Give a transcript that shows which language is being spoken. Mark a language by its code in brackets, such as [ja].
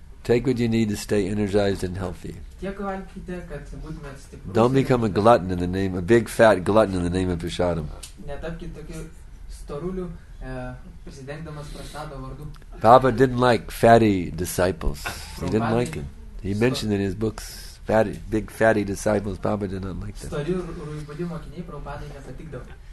[en] Take what you need to stay energized and healthy. [lt] Tiek valgykite, kad būtumėt stiprus. [en] Don't become a glutton in the name, a big fat glutton in the name of Prasadam. [lt] Netapkite tokiu storuliu, prisidengdamas prasado vardu. [en] Baba didn't like fatty disciples. He didn't like it. He mentioned in his books. Fatty, big fatty disciples, Baba did not like that.